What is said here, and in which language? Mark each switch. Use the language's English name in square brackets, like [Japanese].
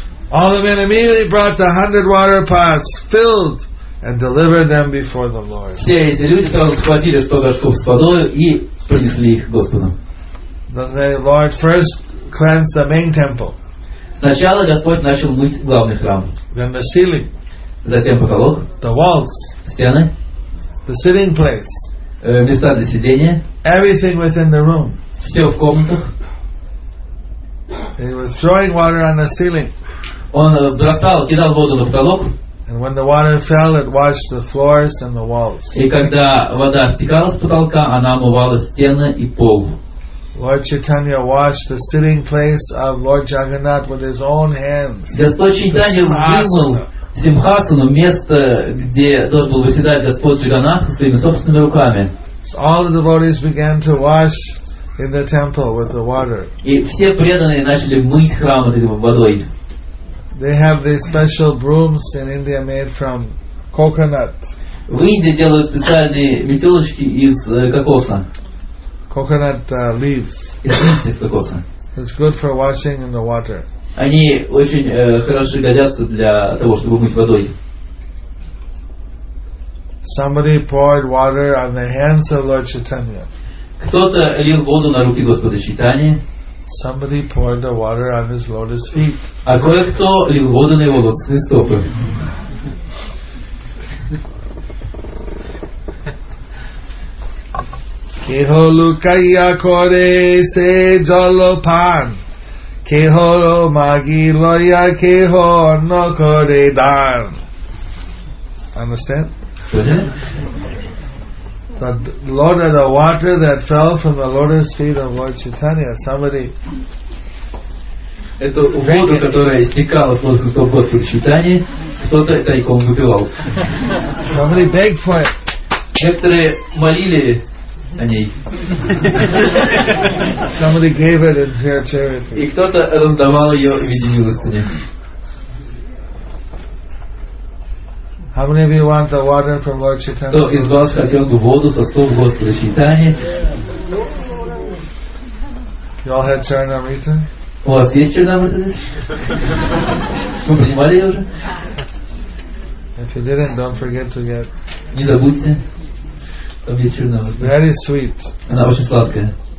[English] All the men immediately brought the 100 water pots filled and delivered them before the Lord. [Russian] Все эти люди сразу схватили 100 горшков с водой и принесли их Господу. [English] Then the Lord first cleansed the main temple. [Russian] Сначала Господь начал мыть главный храм. [English] Then the ceiling. [Russian] Затем потолок. [English] The walls. [Russian] Стены. [English] The sitting place. [Russian] Места для сидения. [English] Everything within the room. [Russian] Все в комнатах. [English] They were throwing water on the ceiling. [Russian] Он бросал, кидал воду на потолок. [English] And when the water fell, it washed the floors and the walls. [Russian] И когда вода стекала с потолка, она омывала стены и пол. [English] Lord Chaitanya washed the sitting place of Lord Jagannath with his own hands. [Russian] Господь Чайтанья вымыл Симхасану, место, где должен был выседать Господь Джаганнат своими собственными руками. [English] So all the devotees began to wash in the temple with the water. [Russian] И все преданные начали мыть храм этой водой. [English] They have these special brooms in India made from coconut. [Russian] В Индии делают специальные метелочки из кокоса. [English] Coconut leaves. [Russian] Из листьев кокоса. [English] It's good for washing in the water. [Russian] Они очень хорошо годятся для того, чтобы мыть водой. [English] Somebody poured water on the hands of Lord Chaitanya. [Russian] Кто-то лил воду на руки Господа Чайтаньи. [English] Somebody poured the water on his lotus feet. [Russian] А кое-кто лил воду на его лотосные стопы. [Bangla] Кехо лукайя коре се джолопан. Keho magi loya keho no kore dan. [English] Understand? The Lord of the water that fell from the lotus feet of Lord Chaitanya. Somebody. [Russian] Это вода, которая истекала с лотосных стоп Господа Чайтаньи, Кто-то тайком выпивал. [English] Somebody begged for it. [Russian] Некоторые молили о ней. [English] Somebody gave it in their charity. [Russian] И кто-то раздавал ее в виде милостыни. [English] How many of you want the water from Lord Chaitanya? [Russian] Кто из вас хотел бы воду со стоп Господа Чайтаньи? [English] You all had Charanamrita? [Russian] У вас есть Чайтанья? Вы принимали ее уже? [English] If you didn't, don't forget to get. [Russian] Не забудьте. [English] Very sweet. [Russian] Она очень сладкая.